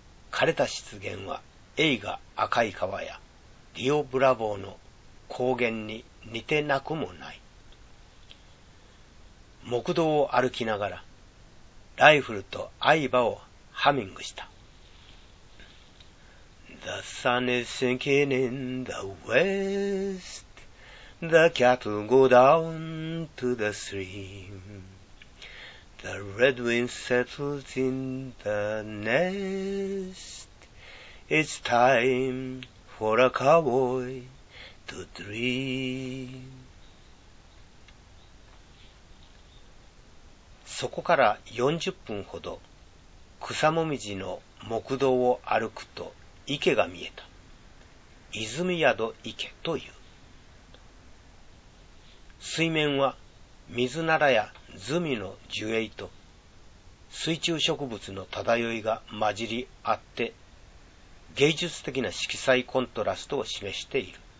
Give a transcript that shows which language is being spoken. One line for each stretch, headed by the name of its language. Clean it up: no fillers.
Japanese: 枯れた湿原は映画赤い川やディオ・ブラヴォーの高原に似てなくもない。木道を歩きながらライフルと相場をハミングした。
English: The sun is sinking in the west. The cattle go down to the stream. The red wind settles in the nest. It's time for a cowboy to dream.
Japanese: そこから40分ほど草もみじの木道を歩くと池が見えた。泉宿池という。水面は水ならやズミの樹影と水中植物の漂いが混じり合って芸術的な色彩コントラストを示している。